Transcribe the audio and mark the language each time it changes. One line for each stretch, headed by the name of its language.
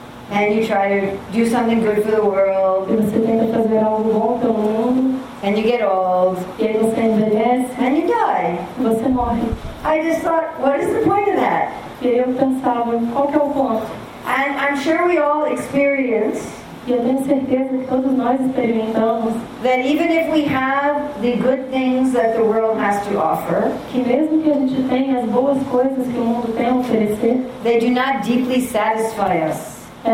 English: And you try to do something good for the world.
Portuguese: E você tenta fazer algo bom pelo mundo.
English: And you get old.
Portuguese: E aí você envelhece.
English: And you die.
Portuguese: E você morre.
English: I just thought, what is the point of that?
Portuguese: E aí eu pensava, qual que é o ponto?
English: And I'm sure we all experience that even if we have the good things that the world has to offer, they do not deeply satisfy us.